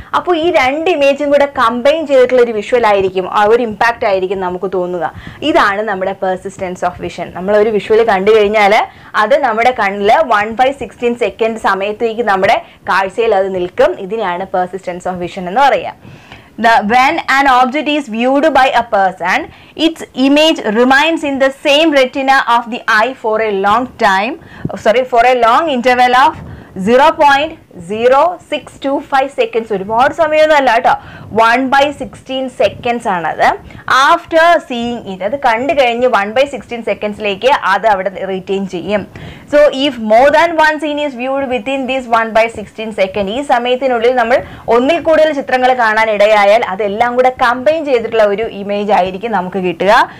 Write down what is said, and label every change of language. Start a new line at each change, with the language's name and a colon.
Malayalam: അപ്പോൾ ഈ രണ്ട് ഇമേജും കൂടെ കമ്പൈൻ ചെയ്തിട്ടുള്ള ഒരു വിഷ്വൽ ആയിരിക്കും, ഒരു ഇമ്പാക്റ്റ് ആയിരിക്കും നമുക്ക് തോന്നുക. ഇതാണ് നമ്മുടെ പെർസിസ്റ്റൻസ് ഓഫ് വിഷൻ. നമ്മളൊരു വിഷ്വൽ കണ്ടു കഴിഞ്ഞാൽ അത് നമ്മുടെ കണ്ണിൽ 1/16 സെക്കൻഡ് സമയത്തേക്ക് നമ്മുടെ കാഴ്ചയിൽ അത് നിൽക്കും. ഇതിനെയാണ് പെർസിസ്റ്റൻസ് ഓഫ് വിഷൻ എന്ന് പറയുക.
English: When an object is viewed by a person, its image remains in the same retina of the eye for a long time, for a long interval of 0.0625 seconds.
Malayalam: ഒരുപാട് സമയമൊന്നുമല്ല കേട്ടോ, 1/16 seconds ആണത്.
English: after seeing it,
Malayalam: അത് കണ്ടു കഴിഞ്ഞ് 1/16 സെക്കൻഡ്സിലേക്ക് അത് അവിടെ retain ചെയ്യും.
English: so if more than one scene is viewed within these 1/16 second,
Malayalam: ഈ സമയത്തിനുള്ളിൽ നമ്മൾ ഒന്നിൽ കൂടുതൽ ചിത്രങ്ങൾ കാണാൻ ഇടയായാൽ അതെല്ലാം കൂടെ കമ്പൈൻ ചെയ്തിട്ടുള്ള ഒരു ഇമേജ് ആയിരിക്കും നമുക്ക് കിട്ടുക.